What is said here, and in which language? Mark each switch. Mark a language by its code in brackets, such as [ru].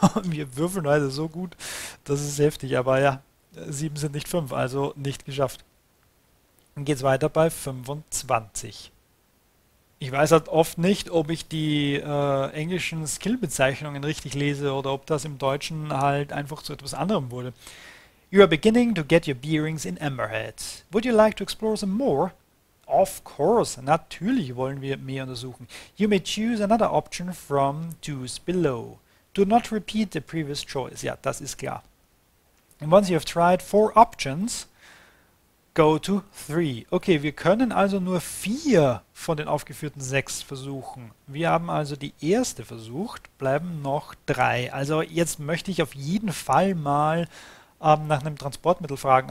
[de] Wir würfeln heute so gut. Das ist heftig, aber ja, 7 sind nicht 5, also nicht geschafft. Dann geht's weiter bei 25. Ich weiß halt oft nicht, ob ich die englischen Skill-Bezeichnungen richtig lese oder ob das im Deutschen halt einfach zu etwas anderem wurde. [en] You are beginning to get your bearings in Amberhead. Would you like to explore some more? Of course, [de] natürlich wollen wir mehr untersuchen. [en] You may choose another option from those below. Do not repeat the previous choice. [de] Ja, das ist klar. [en] And once you have tried four options, go to three. [de] Okay, wir können also nur vier von den aufgeführten sechs versuchen. Wir haben also die erste versucht, bleiben noch drei. Also jetzt möchte ich auf jeden Fall mal nach einem Transportmittel fragen.